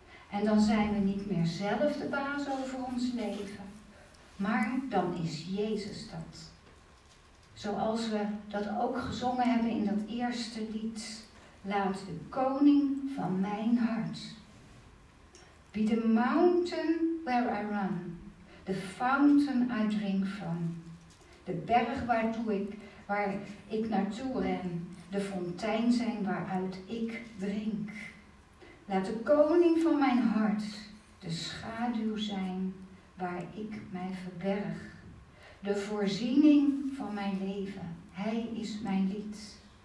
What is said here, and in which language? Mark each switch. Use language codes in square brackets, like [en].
[nl] En dan zijn we niet meer zelf de baas over ons leven, maar dan is Jezus dat. Zoals we dat ook gezongen hebben in dat eerste lied. Laat de koning van mijn hart. [en] Be the mountain where I run, the fountain I drink from. [nl] De berg waar ik naartoe ren, de fontein zijn waaruit ik drink. Laat de koning van mijn hart de schaduw zijn waar ik mij verberg. De voorziening van mijn leven, hij is mijn lied.